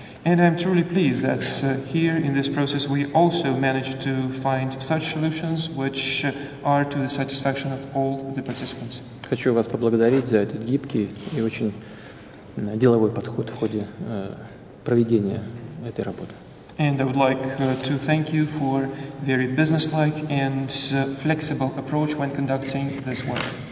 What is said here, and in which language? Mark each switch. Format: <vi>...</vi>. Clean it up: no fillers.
<en>And I'm truly pleased that here in this process we also managed to find such solutions which are to the satisfaction of all the participants.</en> <ru>Хочу вас поблагодарить за этот гибкий и очень деловой подход в ходе проведения этой работы.</ru> <en>And I would like to thank you for very business-like and flexible approach when conducting this work.</en>